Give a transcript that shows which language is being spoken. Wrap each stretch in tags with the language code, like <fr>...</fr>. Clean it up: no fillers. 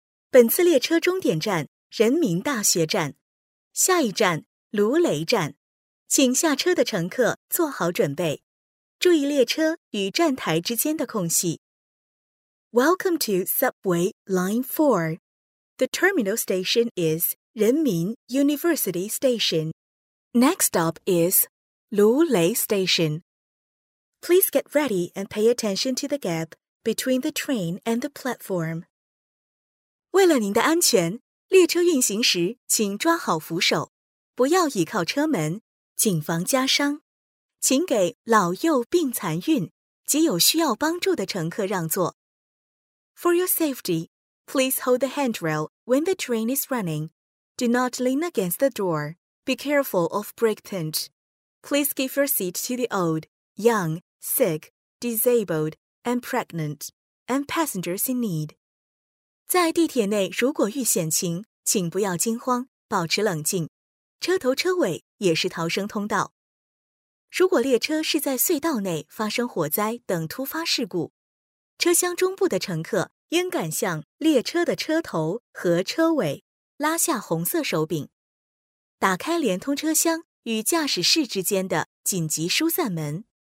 <zh>本次列车终点站人民大学站，下一站卢雷站，请下车的乘客做好准备，注意列车与站台之间的空隙。</zh> <en>Welcome to Subway Line 4. The terminal station is 人民 University Station. Next stop is 卢雷 Station. Please get ready and pay attention to the gap between the train and the platform.</en> <zh>为了您的安全，列车运行时请抓好扶手，不要倚靠车门，谨防夹伤。请给老幼病残孕及有需要帮助的乘客让座。</zh> <en>For your safety, please hold the handrail when the train is running. Do not lean against the door. Be careful of brake tint. Please give your seat to the old, young, sick, disabled, and pregnant, and passengers in need.</en> <zh>在地铁内如果遇险情，请不要惊慌，保持冷静。车头车尾也是逃生通道。如果列车是在隧道内发生火灾等突发事故，车厢中部的乘客应赶向列车的车头和车尾，拉下红色手柄，打开连通车厢与驾驶室之间的紧急疏散门。</zh>